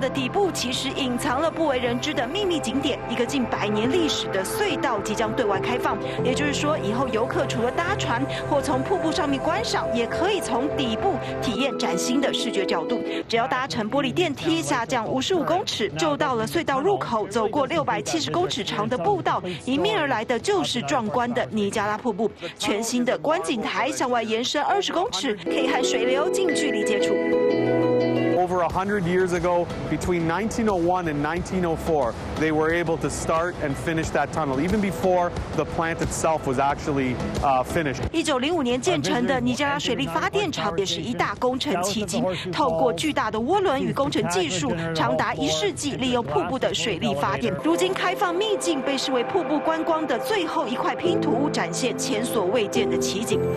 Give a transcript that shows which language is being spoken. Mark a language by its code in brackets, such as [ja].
[zh] 的底部其实隐藏了不为人知的秘密景点，一个近百年历史的隧道即将对外开放，也就是说以后游客除了搭船或从瀑布上面观赏，也可以从底部体验崭新的视觉角度，只要搭乘玻璃电梯下降55公尺就到了隧道入口，走过670公尺长的步道，迎面而来的就是壮观的尼加拉瀑布，全新的观景台向外延伸20公尺，可以和水流近距离接触。 [en] Over 100 years ago, between 1901 and 1904, they were able to start and finish that tunnel, even before the plant itself was actually finished. [zh] 1905年建成的尼加拉水力发电厂也是一大工程奇迹。透过巨大的涡轮与工程技术，长达一世纪利用瀑布的水力发电。如今开放秘境被视为瀑布观光的最后一块拼图，展现前所未见的奇景。